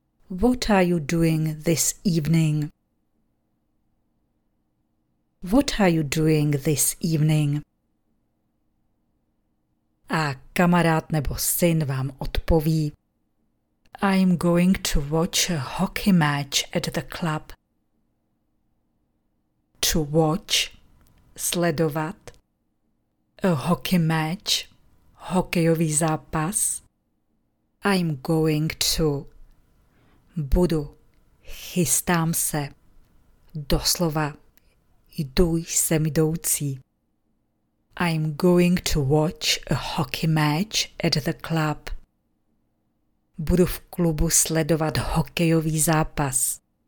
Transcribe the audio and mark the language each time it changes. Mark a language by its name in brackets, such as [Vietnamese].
[English] What are you doing this evening? What are you doing this evening? [Czech] A kamarád nebo syn vám odpoví. [English] I'm going to watch a hockey match at the club. To watch, [Czech] sledovat. [English] A hockey match, [Czech] hokejový zápas. [English] I'm going to. [Czech] Budu, chystám se. Doslova, jdu jsem jdoucí. [English] I'm going to watch a hockey match at the club. [Czech] Budu v klubu sledovat hokejový zápas.